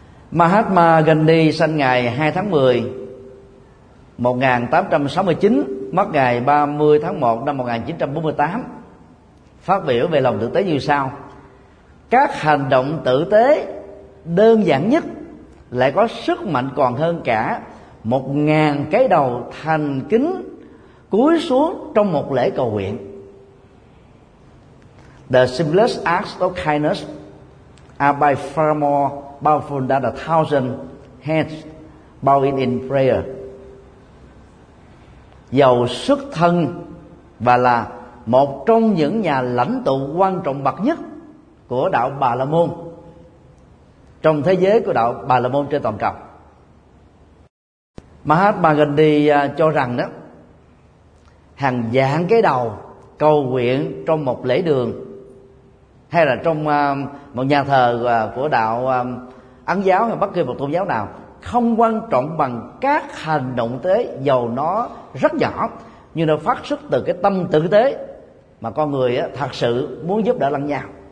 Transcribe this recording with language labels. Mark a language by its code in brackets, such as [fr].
[vi] Mahatma Gandhi sinh ngày 2 tháng 10 1869, mất ngày 30 tháng 1 năm 1948, phát biểu về lòng tử tế như sau: các hành động tử tế đơn giản nhất lại có sức mạnh còn hơn cả 1000 cái đầu thành kính cúi xuống trong một lễ cầu nguyện. [en] The simplest act of kindness are by far more powerful than a thousand heads bowing in prayer. [vi] Dầu xuất thân và là một trong những nhà lãnh tụ quan trọng bậc nhất của đạo Bà La Môn trong thế giới của đạo Bà La Môn trên toàn cầu, Mahatma Gandhi cho rằng đó, hàng vạn cái đầu cầu nguyện trong một lễ đường hay là trong một nhà thờ của đạo Ấn giáo hay bất kỳ một tôn giáo nào không quan trọng bằng các hành động tế, dầu nó rất nhỏ nhưng nó phát xuất từ cái tâm tử tế mà con người thật sự muốn giúp đỡ lẫn nhau.